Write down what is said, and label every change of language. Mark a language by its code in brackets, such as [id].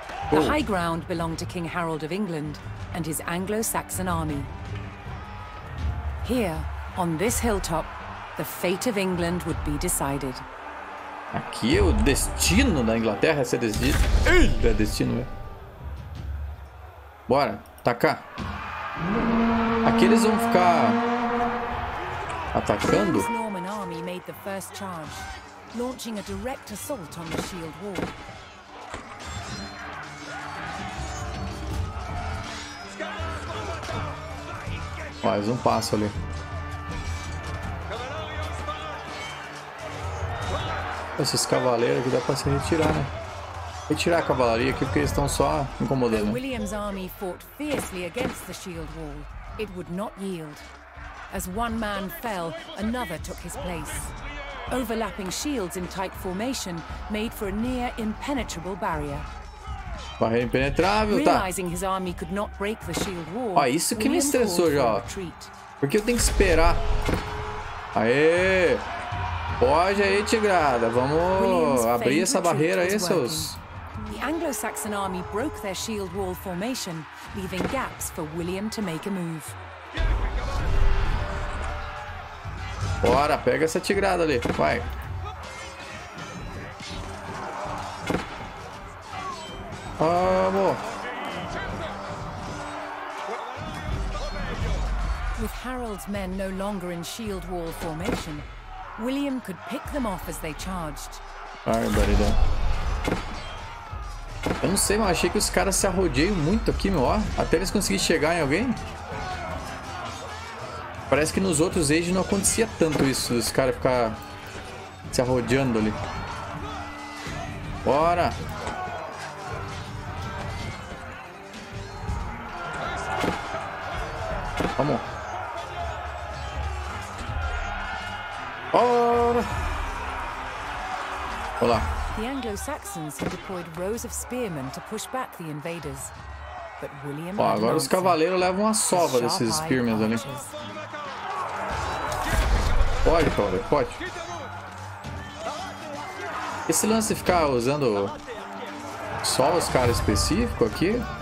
[en] The high ground belonged to King Harold of England and his Anglo-Saxon army. Here, on this hilltop, the fate of England would be decided. [pt] Aqui é o destino da Inglaterra ser decidido. É destino, velho. Bora, atacar. Aqui eles vão ficar atacando. [en] The Norman army made the first charge. Launching a direct assault on the shield wall. [pt] Mais um passo ali. Esses cavaleiros aqui dá pra se retirar, né? Retirar a cavalaria aqui porque eles estão só incomodando. [en] William's army fought fiercely against the shield wall. It would not yield. As one man fell, another took his place. Overlapping shields in tight formation made for a near impenetrable barrier. [pt] Barreira impenetrável, tá? [en] Realizing his army could not break the shield wall. [pt] Ah, isso que me estressou já. Porque eu tenho que esperar. Aê! Pode aí, tigrada. Vamos abrir essa barreira aí, seus [en] Anglo-Saxon army broke their shield wall formation, leaving gaps for William to make a move. [pt] Bora, pega essa tigrada ali, vai. Vamos. [en] With Harold's men no longer in shield wall formation, William could pick them off as they charged. Alright, buddy, then. [pt] Eu não sei, mas achei que os caras se arrodeiam muito aqui, meu. Ó, até eles conseguirem chegar em alguém. Parece que nos outros Age não acontecia tanto isso, os caras ficar se arrodeando ali. Bora! Vamos! Bora! Olá! [en] The Anglo-Saxons had deployed rows of spearmen to push back the invaders. But William. [pt] Ó, agora os cavaleiros levam uma sova desses spearmen ali. Pode, Paulo, pode. Esse lance de ficar usando só os caras específicos aqui.